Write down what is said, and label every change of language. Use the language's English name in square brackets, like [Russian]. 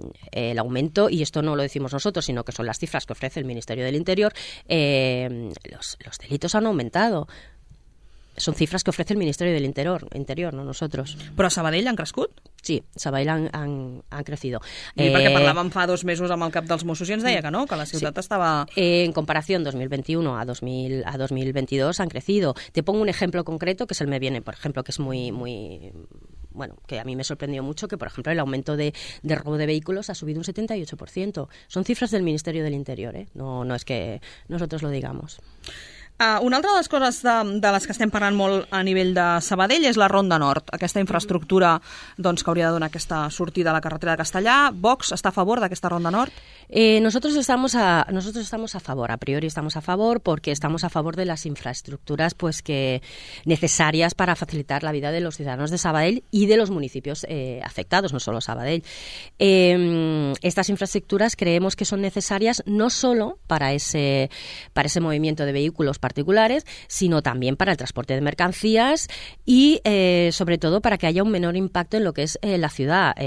[Spanish] El aumento, y esto no lo decimos nosotros, sino que son las cifras que ofrece el Ministerio del Interior, los delitos han aumentado. Son cifras que ofrece el Ministerio del Interior, no nosotros. [Catalan] Però a Sabadell han crescut? [Spanish] Sí, Sabadell han crecido. [Catalan] Perquè parlàvem fa dos mesos amb el cap dels Mossos i ens deia que no, que la ciutat estava... En comparació [Spanish] 2021 a 2022 han crecido. Te pongo un ejemplo concreto que es el me viene, por ejemplo, que es muy... Bueno, que a mí me sorprendió mucho que, por ejemplo, el aumento de robo de vehículos ha subido un 78%. Son cifras del Ministerio del Interior, ¿eh? No es que nosotros lo digamos. [Catalan] Una altra de les coses de les que estem parlant molt a nivell de Sabadell és la Ronda Nord, aquesta infraestructura doncs, que hauria de donar aquesta sortida a la carretera de Castellà. Vox està a favor d'aquesta Ronda Nord? [Spanish] Nosotros estamos a favor, a priori estamos a favor, porque estamos a favor de las infraestructuras pues, que necesarias para facilitar la vida de los ciudadanos de Sabadell y de los municipios afectados, no solo Sabadell. Estas infraestructuras creemos que son necesarias no solo para ese movimiento de vehículos particulares, sino también para el transporte de mercancías y sobre todo para que haya un menor impacto en lo que es la ciudad.